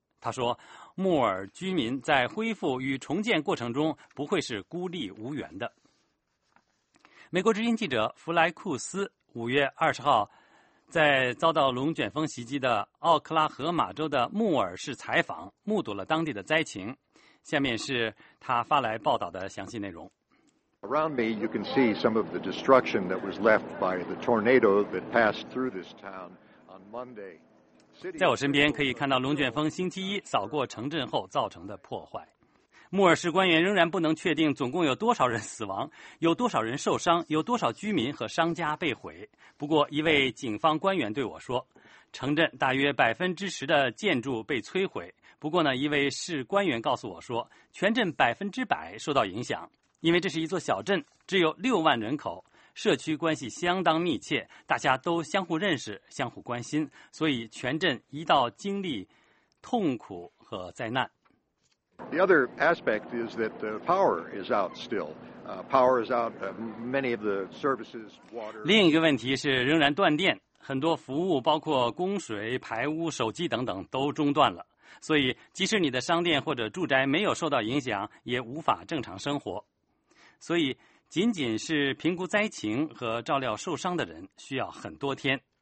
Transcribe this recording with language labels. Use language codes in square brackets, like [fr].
[zh] 他说，莫尔居民在恢复与重建过程中不会是孤立无援的。美国之音记者弗莱库斯5月20号在遭到龙卷风袭击的奥克拉荷马州的穆尔市采访，目睹了当地的灾情。下面是他发来报道的详细内容。 [en] Around me, you can see some of the destruction that was left by the tornado that passed through this town on Monday. [zh] 在我身边可以看到龙卷风星期一扫过城镇后造成的破坏。穆尔市官员仍然不能确定总共有多少人死亡，有多少人受伤，有多少居民和商家被毁。不过一位警方官员对我说，城镇大约10%的建筑被摧毁。不过呢，一位市官员告诉我说，全镇100%受到影响，因为这是一座小镇，只有6万人口，社区关系相当密切，大家都相互认识，相互关心，所以全镇一道经历痛苦和灾难。 [en] The other aspect is that the power is out still. Power is out. Many of the services, water. [zh] 另一个问题是仍然断电，很多服务包括供水、排污、手机等等都中断了。所以，即使你的商店或者住宅没有受到影响，也无法正常生活。所以，仅仅是评估灾情和照料受伤的人需要很多天。